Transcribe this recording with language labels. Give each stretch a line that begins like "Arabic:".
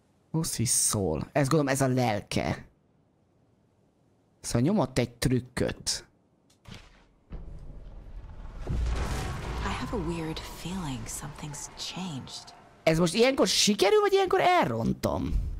Hungarian: Oszi szól. Ez gondolom ez a lelke. Szóval nyomott egy trükköt.
English: I have a weird feeling something's changed.
Hungarian: Ez most ilyenkor sikerül, vagy ilyenkor elrontom?